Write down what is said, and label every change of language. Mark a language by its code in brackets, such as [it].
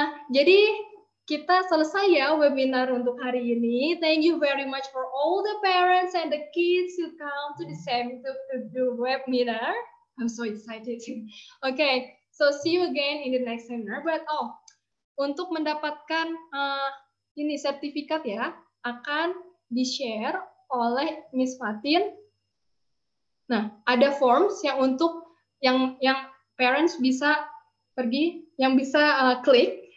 [id] Jadi kita selesai ya webinar untuk hari ini. [en] Thank you very much for all the parents and the kids who come to the webinar. I'm so excited. Okay, so see you again in the next webinar. But oh, [id] untuk mendapatkan ini sertifikat ya akan di-share oleh Miss Fatin. Nah, ada forms yang untuk yang parents bisa pergi, yang bisa klik.